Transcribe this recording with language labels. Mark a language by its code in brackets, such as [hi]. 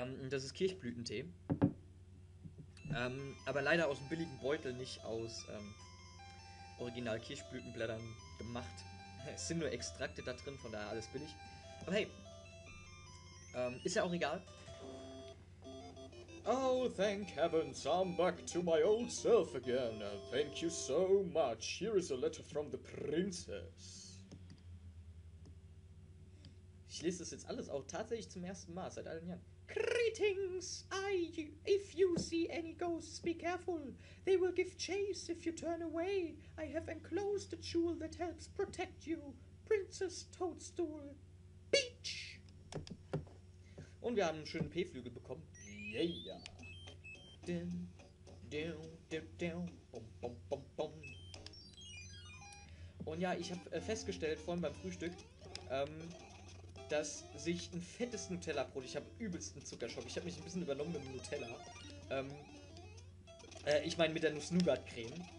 [de] Das ist Kirschblütentee. Aber leider aus einem billigen Beutel, nicht aus original Kirschblütenblättern gemacht. Es sind nur Extrakte da drin, von daher alles billig. Aber hey, ist ja auch egal. [en] Oh, thank heavens, I'm back to my old self again. Thank you so much. Here is a letter from the princess. [de] Ich lese das jetzt alles auch tatsächlich zum ersten Mal seit allen Jahren. [en] Greetings! If you see any ghosts, be careful. They will give chase if you turn away. I have enclosed a jewel that helps protect you. Princess Toadstool. Beach! [de] Und wir haben einen schönen P-Flügel bekommen. Yeah. Dun, dun, dun, dun. Bum, bum, bum, bum. Und ja, ich habe festgestellt, vorhin beim Frühstück, dass sich ein fettes Nutella-Brot, ich habe übelsten Zuckerschock, ich habe mich ein bisschen übernommen mit dem Nutella, ich meine mit der Nuss-Nougat-Creme.